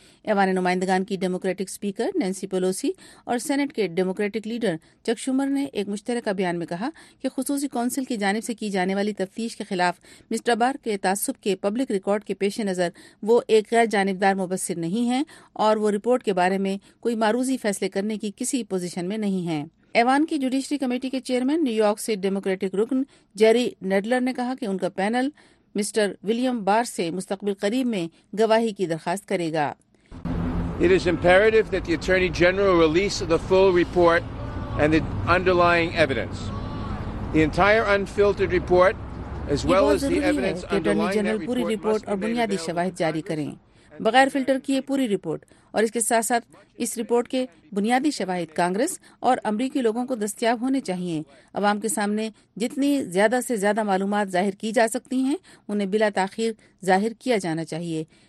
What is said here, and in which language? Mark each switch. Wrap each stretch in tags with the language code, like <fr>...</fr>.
<ur>ایوان نمائندگان کی democratic speaker Nancy policy اور سینٹ کے ڈیموکریٹک لیڈر چک شومر نے ایک مشترکہ بیان میں کہا کہ خصوصی کونسل کی جانب سے کی جانے والی تفتیش کے خلاف مسٹر بار کے تعصب کے پبلک ریکارڈ کے پیش نظر وہ ایک غیر جانبدار مبصر نہیں ہیں، اور وہ رپورٹ کے بارے میں کوئی معروضی فیصلے کرنے کی کسی پوزیشن میں نہیں ہیں۔ ایوان کی جوڈیشری کمیٹی کے چیئرمین نیو یارک سے ڈیموکریٹک رکن جیری نیڈلر نے کہا کہ ان کا پینل مسٹر ولیم بار سے مستقبل قریب میں گواہی کی درخواست کرے گا۔</ur> <en>It is imperative that the Attorney General release the full report and the underlying evidence. The entire unfiltered report as well as the evidence underlying that report.</en> <ur>Attorney general پوری report اور بنیادی شواہد جاری کریں، بغیر فلٹر کیے پوری report, اور اس کے ساتھ ساتھ اس رپورٹ کے بنیادی شواہد کانگریس اور امریکی لوگوں کو دستیاب ہونے چاہیے۔ عوام کے سامنے جتنی زیادہ سے زیادہ معلومات ظاہر کی جا سکتی ہیں انہیں بلا تاخیر ظاہر کیا جانا چاہیے۔</ur>